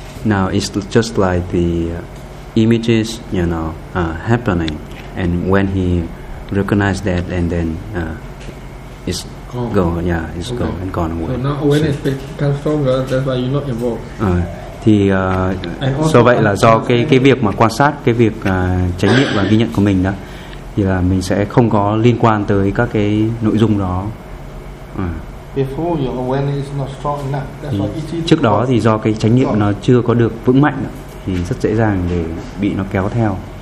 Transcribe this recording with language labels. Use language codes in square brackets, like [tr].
[en] Now it's just like the images, you know, happening, and when he recognized that, and then it's gone. Yeah, it's gone and gone away. So now awareness becomes stronger. That's why you're not involved. [vi] Thì do vậy là do cái việc mà quan sát, cái việc chánh niệm và ghi nhận của mình đó, thì là mình sẽ không có liên quan tới các cái nội dung đó. [en] Before your awareness is not strong enough, that's why it's easy. [vi] Trước đó thì do cái chánh niệm nó chưa có được vững mạnh đó, thì rất dễ dàng để bị nó kéo theo.